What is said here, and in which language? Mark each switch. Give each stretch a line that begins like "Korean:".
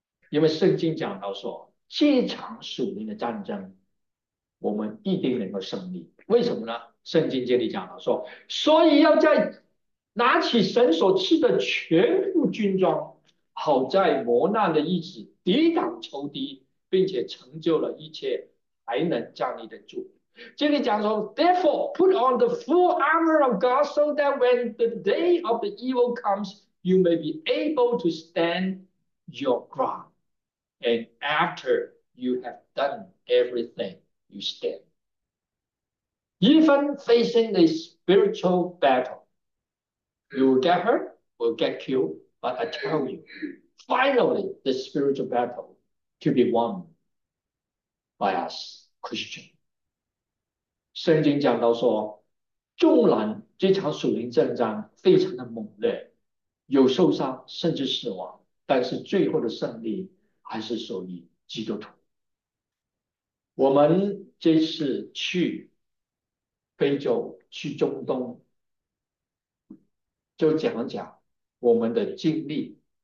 Chinese: 因为圣经讲到说，这场属灵的战争，我们一定能够胜利。为什么呢？圣经这里讲到说，所以要在拿起神所赐的全副军装，好在磨难的日子抵挡仇敌，并且成就了一切。还能站立得住。这里讲说，
English: Therefore, put on the full armor of God, so that when the day of the evil comes, you may be able to stand your ground. And after you have done everything, you stand. Even facing a spiritual battle, you will get hurt, will get killed, but I tell you, finally, the spiritual battle to be won by us.
Chinese: Christian，圣经讲到说，纵然这场属灵战争非常的猛烈，有受伤甚至死亡，但是最后的胜利还是属于基督徒。我们这次去非洲、去中东，就讲一讲我们的经历。